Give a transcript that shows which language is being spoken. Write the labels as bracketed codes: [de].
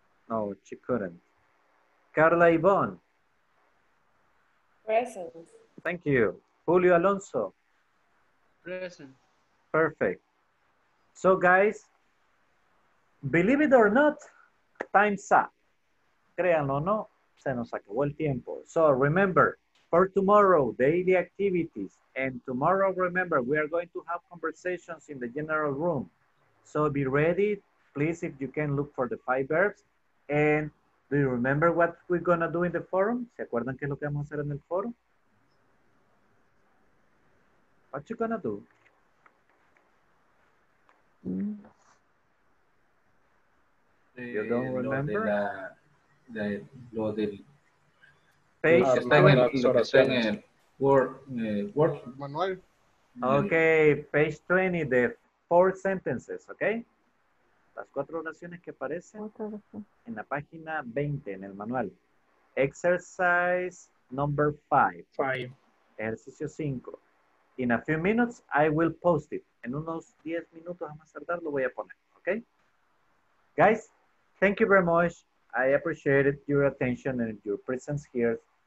[en] No, she couldn't. Carla Yvonne. Present. Thank you. Julio Alonso. Present. Perfect. So guys, believe it or not, time's up. [es] Créanlo o no, se nos acabó el tiempo. [en] So remember, for tomorrow, daily activities. And tomorrow, remember, we are going to have conversations in the general room. So be ready. Please, if you can, look for the 5 verbs. And do you remember what we're going to do in the forum? [es] ¿Se acuerdan qué es lo que vamos a hacer en el foro? [en] What you going to do? You don't remember? [es] Lo de la, de, lo del, page. Lo que está en el Word. Manual. [en] Okay, page 20, the 4 sentences, okay? [es] Las 4 oraciones que aparecen en la página 20, en el manual. [en] Exercise number 5. [es] Ejercicio 5. [en] In a few minutes, I will post it. [es] En unos 10 minutos, vamos a tardar, lo voy a poner. [en] Okay? Guys, thank you very much. I appreciate your attention and your presence here.